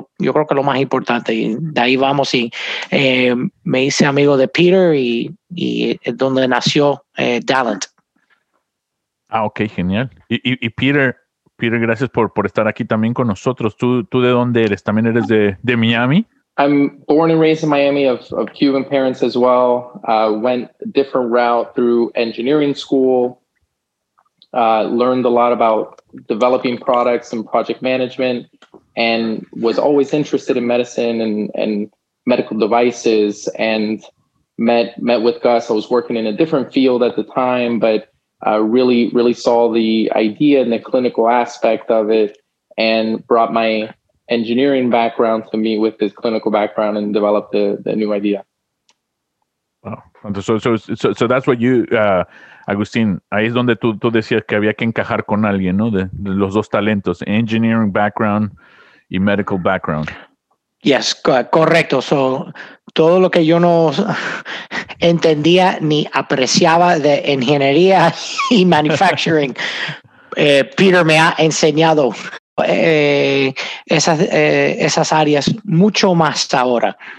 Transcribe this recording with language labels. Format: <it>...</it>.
<es>Yo creo que es lo más importante. Y de ahí vamos. Y me hice amigo de Peter y es donde nació Dalent. Ah, ok, genial. Y Peter, gracias por estar aquí también con nosotros. ¿Tú de dónde eres? ¿También eres de Miami?</es> <en>I'm born and raised in Miami of Cuban parents as well. Went a different route through engineering school. Learned a lot about developing products and project management, and was always interested in medicine and medical devices, and met with Gus. I was working in a different field at the time, but really, really saw the idea and the clinical aspect of it, and brought my engineering background to meet with this clinical background and develop the new idea. Wow. So that's what you...</en> <es>Agustín, ahí es donde tú decías que había que encajar con alguien, ¿no? De los dos talentos,</es> <en>engineering background y medical background. Yes,</en> <es>correcto. So, todo lo que yo no entendía ni apreciaba de ingeniería y manufacturing, Peter me ha enseñado esas áreas mucho más ahora.</es>